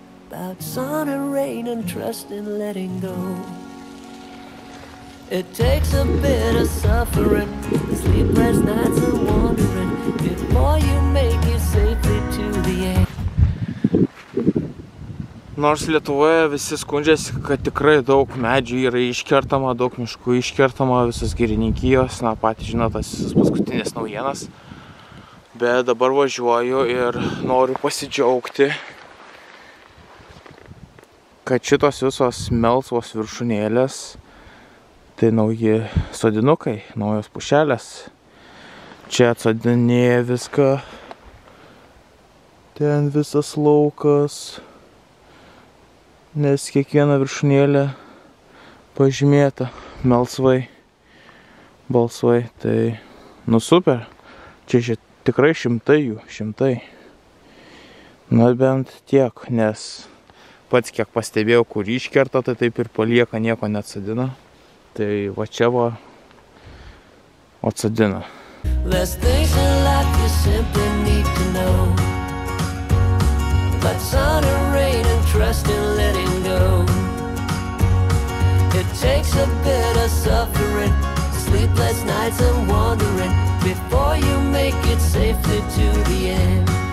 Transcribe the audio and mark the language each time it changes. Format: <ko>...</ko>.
<en>About sun and rain and trust in letting go. It takes a bit of suffering, sleepless nights and wandering, before you make it safely to the end.</en> <lt>Nors Lietuvoje visi skundžiasi, kad tikrai daug medžių yra iškertama, daug miškų iškertama, visas girininkijos, na, pati žinot, tas visas paskutinės naujienas. Bet dabar važiuoju ir noriu pasidžiaugti, kad šitos visos melsvos viršūnėlės tai nauji sodinukai, naujos pušelės. Čia atsodinėja viską. Ten visas laukas. Nes kiekviena viršūnėlė pažymėta melsvai, balsvai. Tai nu super. Čia tikrai šimtai jų, šimtai. Na bent tiek, nes pats kiek pastebėjau, kur iškerta, tai taip ir palieka, nieko neatsodina. Tai va čia va atsodina.</lt> <en>There's things in life you simply need to know. Like sun and rain and trust in letting go. It takes a bit of suffering, sleepless nights and wandering, before you make it safely to the end.</en>